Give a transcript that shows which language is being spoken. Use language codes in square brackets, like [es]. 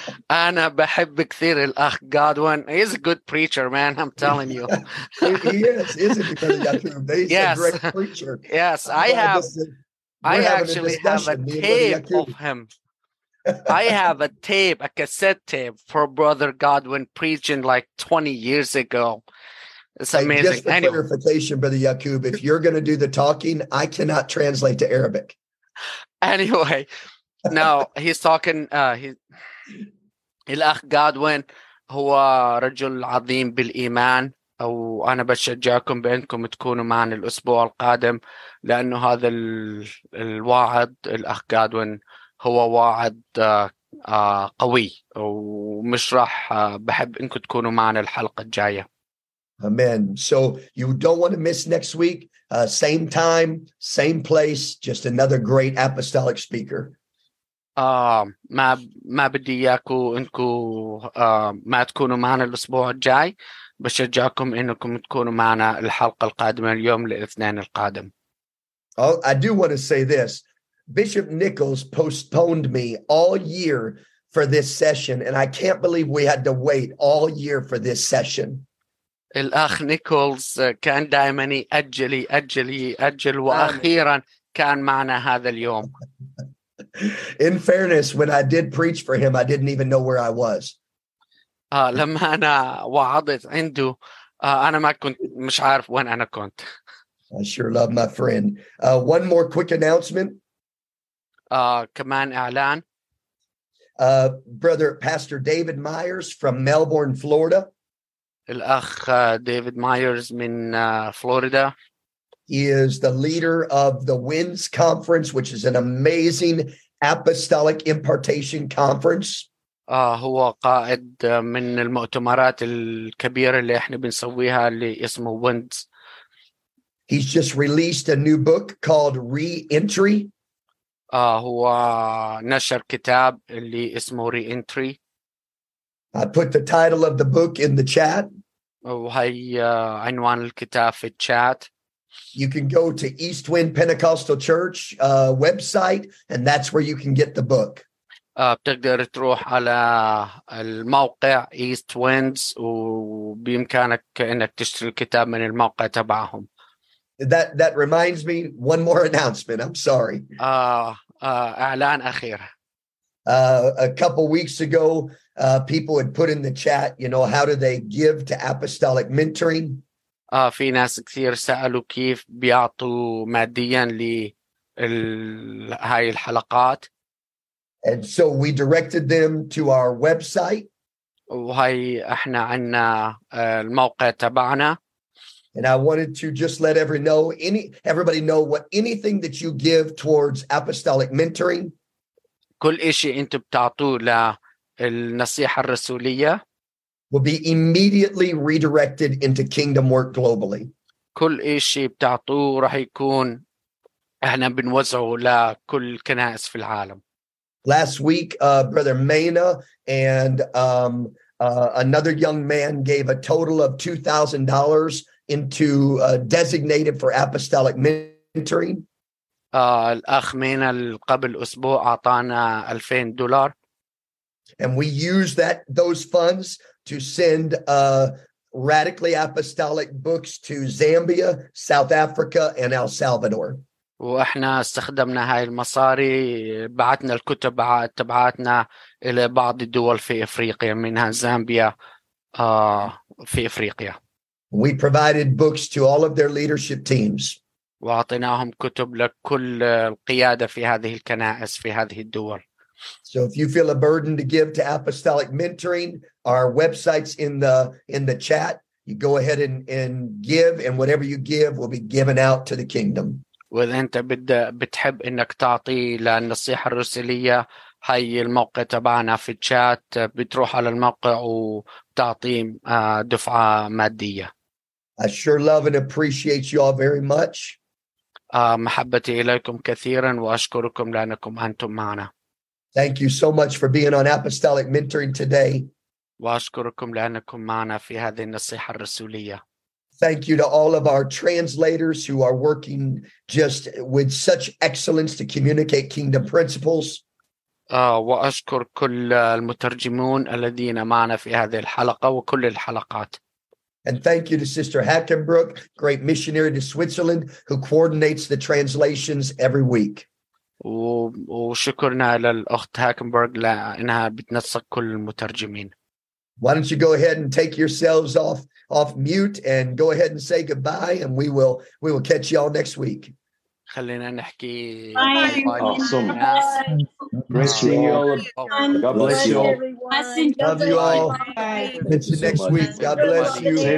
[ar] أنا بحب كثير الأخ Godwin. [en] He's a good preacher, man. I'm telling you. Yes, is it because he got to him? He's yes. A great preacher. Yes, I actually have a tape of him. I have a tape, a cassette tape for Brother Godwin preaching like 20 years ago. It's amazing. Just a clarification, Brother Yakub. If you're going to do the talking, I cannot translate to Arabic. Anyway. No, he's talking, [ar] الأخ Godwin هو رجل عظيم بالإيمان, وأنا بشجعكم بأنكم تكونوا معنا الأسبوع القادم, لأنه هذا الواعد, الأخ Godwin هو واعد قوي, ومش راح بحب أنكم تكونوا معنا الحلقة الجاية. [en] Amen. So you don't want to miss next week, same time, same place, just another great apostolic speaker. [ar] ما بدي اياكم انكم ما تكونوا معنا الاسبوع الجاي, بشجعكم انكم تكونوا معنا الحلقه القادمه اليوم الاثنين القادم. [en] Oh, I do want to say this. Bishop Nichols postponed me all year for this session, and I can't believe we had to wait all year for this session. [ar] الاخ نيكولز كان دائما يأجل يأجل يأجل, واخيرا كان معنا هذا اليوم. [en] In fairness, when I did preach for him, I didn't even know where I was. [ar] لما أنا وعظت عنده, أنا ما كنت مش عارف وين أنا كنت. [en] I sure love my friend. One more quick announcement. [ar] كمان إعلان. [en] Brother Pastor David Myers from Melbourne, Florida. [ar] الأخ David Myers من Florida. [en] He is the leader of the WINS conference, which is an amazing apostolic impartation conference. [ar] هو قائد من المؤتمرات الكبيرة اللي احنا بنسويها اللي اسمه WINS. [en] He's just released a new book called Re-Entry. [ar] هو نشر كتاب اللي اسمه Re-Entry. [en] I put the title of the book in the chat. [ar] وهي عنوان الكتاب في الشات. [en] You can go to East Wind Pentecostal Church website, and that's where you can get the book. [ar] بتقدر تروح على الموقع East Winds, وبإمكانك إنك تشتري الكتاب من الموقع تبعهم. [en] That reminds me, one more announcement. I'm sorry. [ar] إعلان أخير. [en] A couple weeks ago, people had put in the chat, you know, how do they give to apostolic mentoring? [ar] في ناس كثير سألوا كيف بيعطوا ماديا لهاي الحلقات. [en] And so we directed them to our website. [ar] وهي احنا عنا الموقع تبعنا. [en] And I wanted to just let everybody know what anything that you give towards apostolic mentoring. [ar] كل إشي انتوا بتعطوه للنصيحة الرسولية. [en] Will be immediately redirected into kingdom work globally. [ar] كل إشي بتعطوه راح يكون إحنا بنوزعه لكل كنائس في العالم. [en] Last week, Brother Mena and another young man gave a total of $2,000 into designated for apostolic mentoring. [ar] الأخ مينا قبل أسبوع أعطانا $2,000. [en] And we use those funds to send radically apostolic books to Zambia, South Africa, and El Salvador. [ar] وإحنا استخدمنا هاي المصاري, بعتنا الكتب تبعاتنا إلى بعض الدول في إفريقيا, منها زامبيا في إفريقيا. [en] We provided books to all of their leadership teams. [ar] وعطيناهم كتب لكل القيادة في هذه الكنائس في هذه الدول. [en] So if you feel a burden to give to Apostolic Mentoring, our website's in the chat. You go ahead and give, and whatever you give will be given out to the kingdom. [ar] وإذا أنت بتحب إنك تعطي للنصيحة الرسلية هاي الموقع تبعنا في الشات بتروح على الموقع وتعطي دفعة مادية. [en] I sure love and appreciate you all very much. [ar] محبتي إليكم كثيرا وأشكركم لأنكم أنتم معنا. [en] Thank you so much for being on Apostolic Mentoring today. [ar] وأشكركم لأنكم معنا في هذه النصيحة الرسولية. [en] Thank you to all of our translators who are working just with such excellence to communicate kingdom principles. [ar] وأشكر كل المترجمون الذين معنا في هذه الحلقة وكل الحلقات. [en] And thank you to Sister Hackenbrook, great missionary to Switzerland, who coordinates the translations every week. [ar] وشكرنا للأخت هاكنبرغ لأنها بتنسق كل المترجمين. [en] Why don't you go ahead and take yourselves off mute and go ahead and say goodbye, and we will catch you all next week. [ar] خلينا نحكي. [en] Bye. Awesome. Bye. Bless you all. God bless you all. Love you all. Catch you next week. God bless you.